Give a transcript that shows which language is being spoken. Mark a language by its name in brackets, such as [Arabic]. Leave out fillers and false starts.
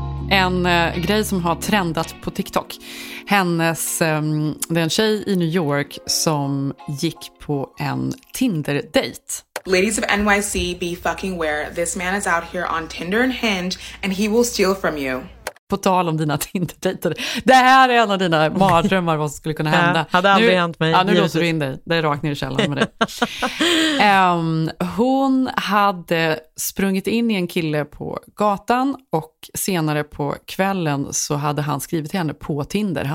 [Swedish] En grej som har trendat på TikTok. Hennes, det är en tjej i New York som gick på en Tinder-date. [English] Ladies of NYC, be fucking aware. This man is out here on Tinder and Hinge and he will steal from you. [Swedish] På tal om dina Tinder-dater. Det här är en av dina mardrömmar, vad som skulle kunna hända. Ja, hade aldrig hänt mig. Ja, nu låter du in dig. Det är rakt ner i källaren med det. Hon hade sprungit in i en kille på gatan och senare på kvällen så hade han skrivit till henne på Tinder.